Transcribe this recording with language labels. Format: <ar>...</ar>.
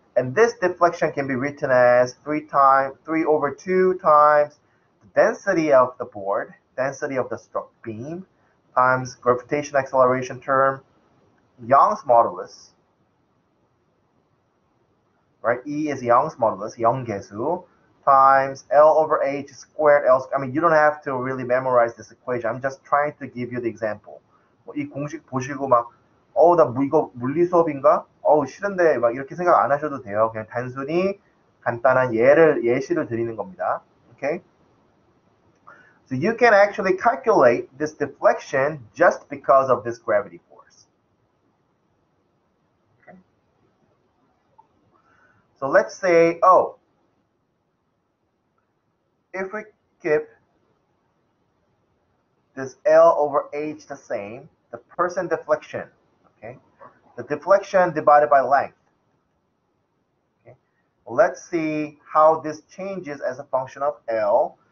<en>And this deflection can be written as 3 over 2 times the density of the board, density of the struck beam, times gravitation acceleration term, Young's modulus. Right, E is Young's modulus, Young 계수, times L over H squared L squared. I mean, you don't have to really memorize this equation. I'm just trying to give you the example.</en> <ko>뭐 이 공식 보시고 막, 나 이거 물리 수업인가? 싫은데 막 이렇게 생각 안 하셔도 돼요. 그냥 단순히 간단한 예시를 드리는 겁니다.</ko> <en>Okay. So you can actually calculate this deflection just because of this gravity. So let's say, if we keep this L over H the same, the person deflection, okay, the deflection divided by length, okay, let's see how this changes as a function of L.</en>